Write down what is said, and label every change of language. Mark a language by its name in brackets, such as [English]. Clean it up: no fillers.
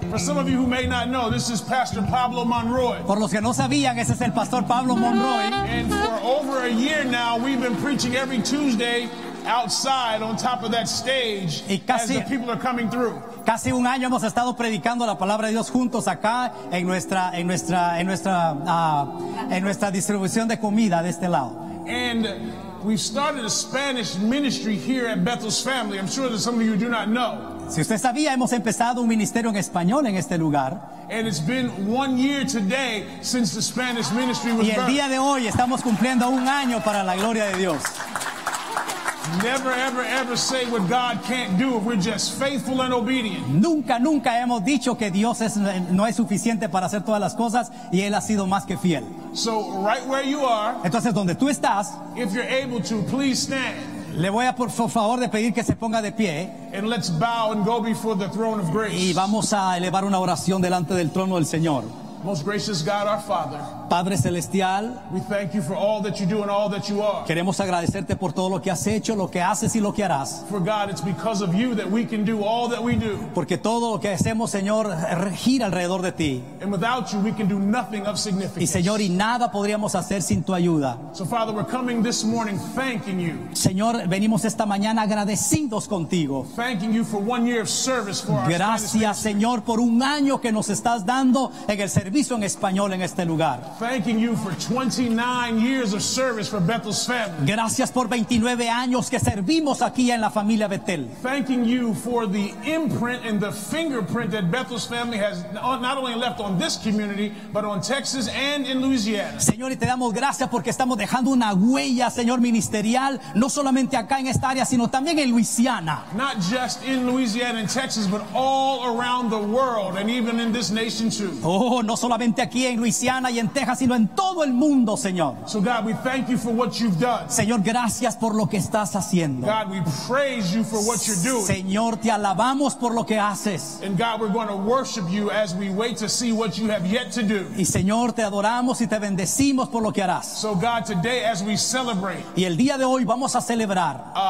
[English] For some of you who may not know, this is Pastor Pablo Monroy. [Spanish] Por los que no sabían, ese es el Pastor Pablo Monroy. [English] And for over a year now, we've been preaching every Tuesday outside on top of that stage as the people are coming through. [Spanish] Casi un año hemos estado predicando la palabra de Dios juntos acá en nuestra distribución de comida de este lado. [English] And we've started a Spanish ministry here at Bethel's Family. I'm sure that some of you do not know. [Spanish] Si usted sabía, hemos empezado un ministerio en español en este lugar. [English] And it's been 1 year today since the Spanish ministry was birthed. [Spanish] Y el día de hoy estamos cumpliendo un año para la gloria de Dios. [English] Never, ever, ever say what God can't do if we're just faithful and obedient. [Spanish] Nunca, nunca hemos dicho que Dios no es suficiente para hacer todas las cosas y Él ha sido más que fiel. [English] So right where you are, [Spanish] entonces donde tú estás, [English] if you're able to, please stand. [Spanish] Le voy a por favor de pedir que se ponga de pie. [English] And let's bow and go before the throne of grace. [Spanish] Y vamos a elevar una oración delante del trono del Señor. [English] Most gracious God, our Father. [Spanish] Padre celestial, [English] we thank you for all that you do and all that you are. [Spanish] Queremos agradecerte por todo lo que has hecho, lo que haces y lo que harás. [English] For God, it's because of you that we can do all that we do. [Spanish] Porque todo lo que hacemos, Señor, gira alrededor de ti. [English] And without you, we can do nothing of significance. [Spanish] Y Señor, y nada podríamos hacer sin tu ayuda. [English] So Father, we're coming this morning thanking you. [Spanish] Señor, venimos esta mañana agradecidos contigo. [English] Thanking you for 1 year of service for us. [Spanish] Gracias, Señor, por un año que nos estás dando en el servicio en español en este lugar. [English] Thanking you for 29 years of service for Bethel's family. [Spanish] Gracias por 29 años que servimos aquí en la familia Bethel. [English] Thanking you for the imprint and the fingerprint that Bethel's family has not only left on this community, but on Texas and in Louisiana. [Spanish] Señor, y te damos gracias porque estamos dejando una huella, Señor, ministerial, no solamente acá en esta área, sino también en Louisiana. [English] Not just in Louisiana and Texas, but all around the world and even in this nation too. [Spanish] Oh, no solamente aquí en Louisiana y en Texas, sino en todo el mundo, Señor. [English] So God, we thank you for what you've done. [Spanish] Señor, gracias por lo que estás haciendo. [English] God, we praise you for what you're doing. [Spanish] Señor, te alabamos por lo que haces. [English] And God, we're going to worship you as we wait to see what you have yet to do. [Spanish] Y Señor, te adoramos y te bendecimos por lo que harás. [English] So God, today as we celebrate. [Spanish] Y el día de hoy vamos a celebrar.